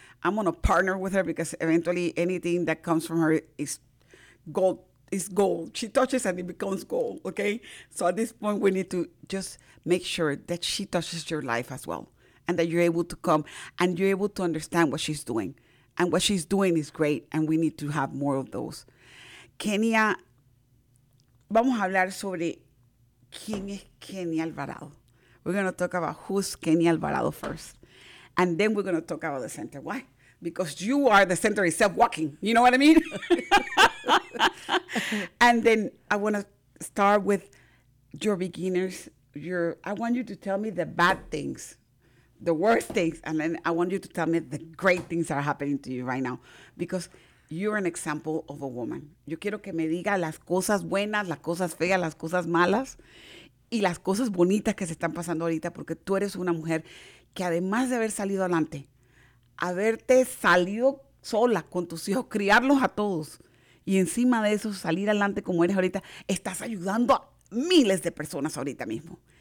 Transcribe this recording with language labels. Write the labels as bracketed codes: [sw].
[en] I'm gonna partner with her because eventually anything that comes from her is gold. Is gold. She touches and it becomes gold, okay? So at this point, we need to just make sure that she touches your life as well, and that you're able to come and you're able to understand what she's doing. And what she's doing is great, and we need to have more of those. [es] Kenia, vamos a hablar sobre quién es Kenia Alvarado. [en] We're going to talk about who's Kenia Alvarado first. And then we're going to talk about the center. Why? Because you are the center itself walking. You know what I mean? And then I want to start with your beginners. I want you to tell me the bad things. The worst things, and then I want you to tell me the great things that are happening to you right now, because you're an example of a woman. [es] Yo quiero que me diga las cosas buenas, las cosas feas, las cosas malas, y las cosas bonitas que se están pasando ahorita, porque tú eres una mujer que además de haber salido adelante, haberte salido sola con tus hijos, criarlos a todos, y encima de eso salir adelante como eres ahorita, estás ayudando a miles de personas ahorita mismo.